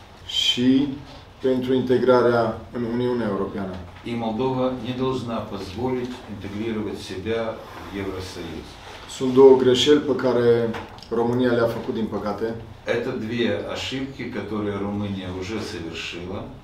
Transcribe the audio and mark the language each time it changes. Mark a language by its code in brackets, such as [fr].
[ro] Și pentru integrarea în Uniunea Europeană. [ru] И Молдова не должна позволить интегрировать себя в Евросоюз. [ro] Sunt două greșeli pe care România le-a făcut, din păcate. [ru] Это две ошибки, которые Румыния уже совершила.